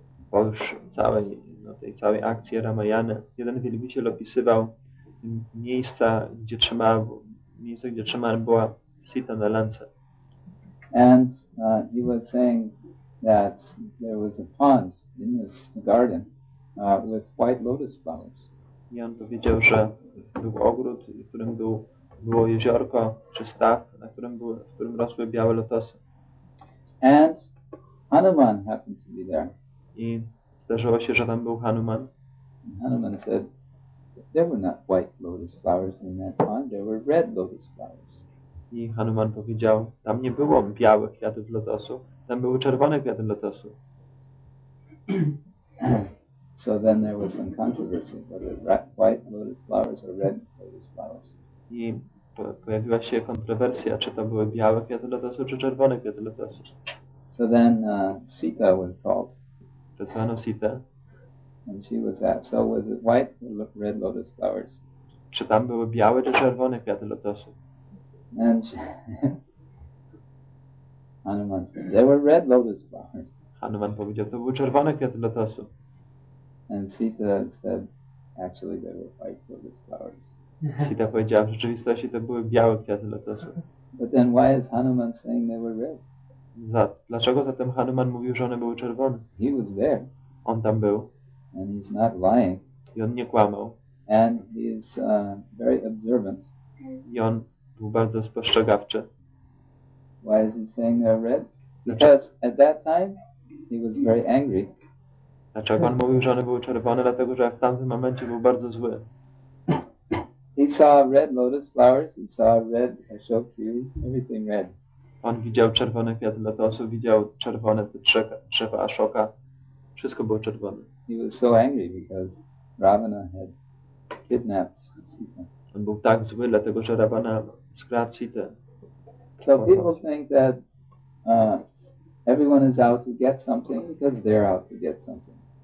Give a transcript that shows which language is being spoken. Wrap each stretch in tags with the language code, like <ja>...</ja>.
<pl>Po już całej akcji Ramayana, jeden wielbiciel opisywał miejsce, gdzie trzymała była Sita na lance.</pl> <en>And he was saying that there was a pond in this garden with white lotus flowers.</en> <pl>I on powiedział, że był ogród, w którym było jeziorko czy staw, w którym rosły białe lotosy.</pl> <en>And Hanuman happened to be there.</en> <pl>I zdarzyło się, że tam był Hanuman.</pl> <en>Hanuman said, there were not white lotus flowers in that pond, there were red lotus flowers.</en> <pl>I Hanuman powiedział, tam nie było białych kwiatów lotosu, tam były czerwone kwiaty lotosu.</pl> <en>So then there was some controversy, was it white lotus flowers or red lotus flowers?</en> <pl>I pojawiła się kontrowersja, czy to były białe kwiaty lotosu, czy czerwone kwiaty lotosu.</pl> <en>So then Sita was called.</en> <pl>Wezwano Sita.</pl> <en>And she was asked, so was it white or red lotus flowers?</en> <pl>Czy tam były białe, czy czerwone kwiaty lotosu?</pl> <en>And she, Hanuman said, there were red lotus flowers.</en> <pl>Hanuman powiedział, to były czerwone kwiaty lotosu.</pl> <en>And Sita said, actually they were white lotus flowers.</en> <pl>Sita powiedziała, w rzeczywistości to były białe kwiaty lotosu.</pl> <en>But then why is Hanuman saying they were red?</en> <pl>Dlaczego zatem Hanuman mówił, że one były czerwone?</pl> <en>He was there.</en> <pl>On tam był.</pl> <en>And he's not lying.</en> <pl>I on nie kłamał.</pl> <en>And he is very observant.</en> <pl>I on był bardzo spostrzegawczy.</pl> <en>Why is he saying they're red? Because at that time he was very angry.</en> <pl>Dlaczego on mówił, że one były czerwone? Dlatego, że w tamtym momencie był bardzo zły.</pl> <en>He saw red lotus flowers, he saw red ashok trees, everything red.</en> <pl>On widział czerwone kwiaty lotosu, widział czerwone te drzewa Ashoka. Wszystko było czerwone.</pl> <en>He was so angry because Ravana had kidnapped Sita.</en> <pl>On był tak zły, dlatego że Ravana skradł Sita.</pl> <en>So people think that everyone is out to get something because they're out to get something.</en>